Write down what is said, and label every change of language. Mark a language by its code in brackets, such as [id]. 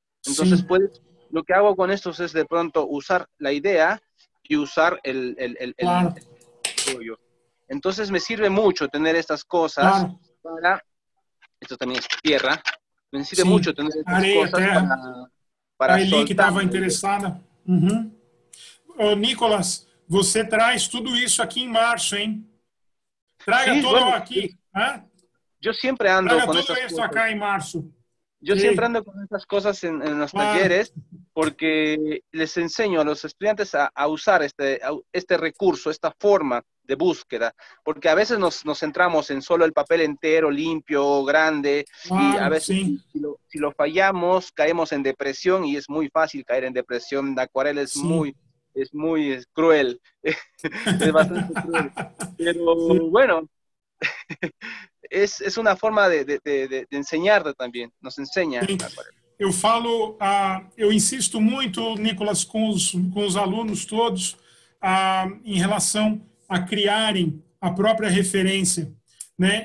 [es] Entonces, puedes, lo que hago con estos es de pronto usar la idea. Y usar el entonces me sirve mucho tener estas cosas para, esto también es tierra, me sirve mucho tener estas cosas para a Eli que estaba interesada. [pt] Nicolas, você traz tudo isso aqui em março, hein? Traga aqui. [es] Yo siempre ando con esto acá en marzo. Yo siempre ando con estas cosas en los talleres. porque les enseño a los estudiantes a usar este recurso, esta forma de búsqueda, porque a veces nos centramos en solo el papel entero, limpio, grande, wow, y a veces si lo fallamos, caemos en depresión, y es muy fácil caer en depresión. La acuarela es muy cruel, es bastante cruel, pero bueno, es una forma de enseñarte también, nos enseña la acuarela. [pt] Eu falo, eu insisto muito, Nicolas, com os alunos todos, em relação a criarem a própria referência, né?